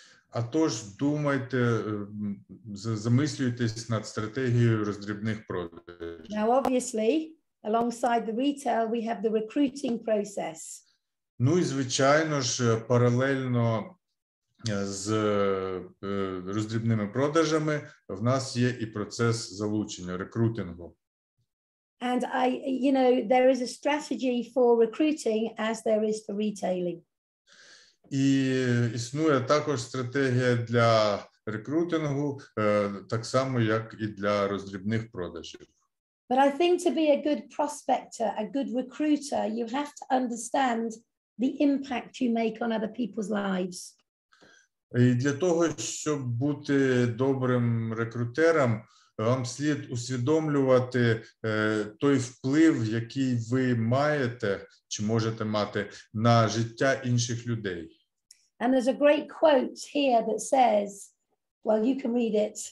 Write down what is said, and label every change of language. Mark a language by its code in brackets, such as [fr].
[uk] А тож думайте, замислюйтесь над стратегією роздрібних продажів. [en] Now obviously, alongside the retail, we have the recruiting process. [uk] Ну і звичайно ж, паралельно з роздрібними продажами, в нас є і процес залучення, рекрутингу. [en] And I, you know, there is a strategy for recruiting as there is for retailing. [uk] І існує також стратегія для рекрутингу, так само, як і для роздрібних продажів. [en] But I think to be a good prospector, a good recruiter, you have to understand the impact you make on other people's lives. [uk] І для того, щоб бути добрим рекрутером, вам слід усвідомлювати той вплив, який ви маєте, чи можете мати, на життя інших людей. [en] And there's a great quote here that says, well, you can read it.